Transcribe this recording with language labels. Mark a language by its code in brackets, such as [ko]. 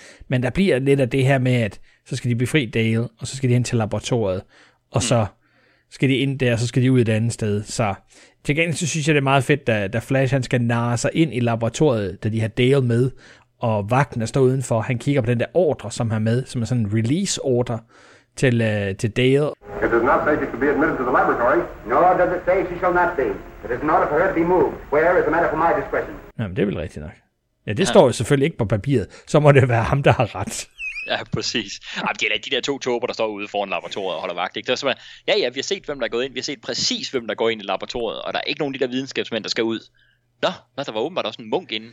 [da] Men der bliver lidt af det her med, at så skal de befri Dale, og så skal de hen til laboratoriet, og så skal de ind der, og så skal de ud et andet sted. Så til gengæld så synes jeg, det er meget fedt, da Flash han skal narre sig ind i laboratoriet, da de har Dale med, og vagten er stået udenfor. Han kigger på den der ordre, som han har med, som er sådan en release order. Til Dale. [en] It does not say she shall be admitted to the laboratory. Nor does it say she shall not be. It is an order for her to be moved. Where is a matter for my discretion? [da] Jamen, det er vel rigtigt nok. Ja, det står jo selvfølgelig ikke på papiret. Så må det være ham, der har ret. Ja, præcis. Jamen, det er de der to tåber, der står ude foran laboratoriet og holder vagt. Ikke? Det er som at, ja, vi har set, hvem der er gået ind. Vi har set præcis, hvem der går ind i laboratoriet. Og der er ikke nogen af de der videnskabsmænd, der skal ud. Nå, der var åbenbart også en munk inde.